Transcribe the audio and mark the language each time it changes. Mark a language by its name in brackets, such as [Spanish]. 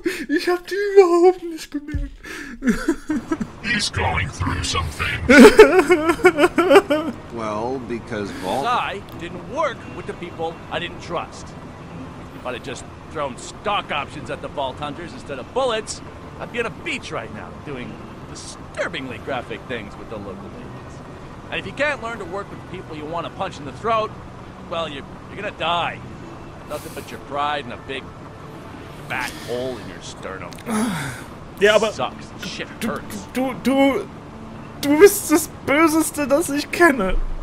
[German] Ich hab die überhaupt nicht gemerkt. [English] He's going through something. Well, because Vault... I didn't work with the people I didn't trust. If I'd have just thrown stock options at the Vault Hunters instead of bullets, I'd be on a beach right now doing disturbingly graphic things with the local ladies. And if you can't learn to work with the people you want to punch in the throat, well, you're gonna die. Nothing but your pride and a big, fat hole in your sternum. [German] Ja, aber [English] sucks. Shit hurts. [German] Du bist das Böseste, das ich kenne.